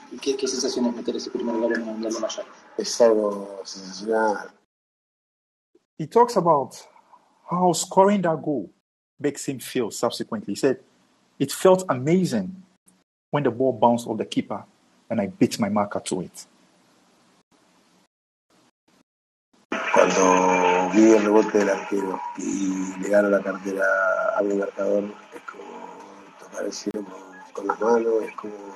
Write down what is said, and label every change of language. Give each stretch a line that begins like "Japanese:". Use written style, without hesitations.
Spanish: ¿Y qué sensación es meter ese primer gol en un mundial mayor? Es algo sensacional.
English: He talks about how scoring that goal makes him feel subsequently. He said, it felt amazing when the ball bounced off the keeper and I beat my marker to it.
Spanish: Cuando vi el rebote del arquero y le gana la cartera a mi marcador, es como tocar el cielo con las manos, es como...